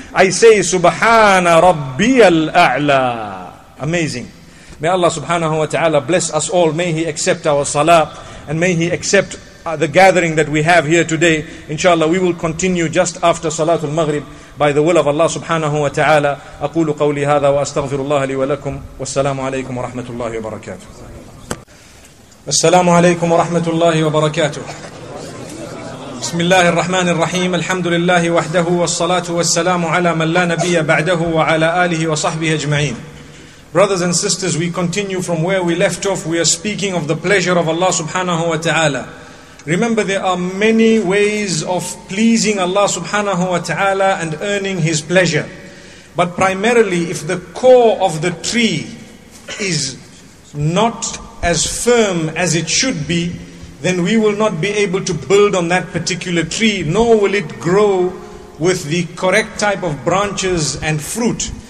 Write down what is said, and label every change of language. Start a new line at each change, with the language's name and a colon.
English: I say, Subhana Rabbi al-A'la. Amazing. May Allah subhanahu wa ta'ala bless us all. May He accept our salah. And may He accept the gathering that we have here today. Inshallah, we will continue just after Salatul Maghrib by the will of Allah subhanahu wa ta'ala.
Arabic: أقول قولي هذا وأستغفر الله لي ولكم والسلام عليكم ورحمة الله وبركاته. السلام عليكم ورحمة الله وبركاته. بسم الله الرحمن الرحيم الحمد لله وحده والصلاة والسلام على من لا نبي بعده وعلى آله وصحبه أجمعين.
English: Brothers and sisters, we continue from where we left off. We are speaking of the pleasure of Allah subhanahu wa ta'ala. Remember, there are many ways of pleasing Allah subhanahu wa ta'ala and earning His pleasure. But primarily, if the core of the tree is not as firm as it should be, then we will not be able to build on that particular tree, nor will it grow with the correct type of branches and fruit.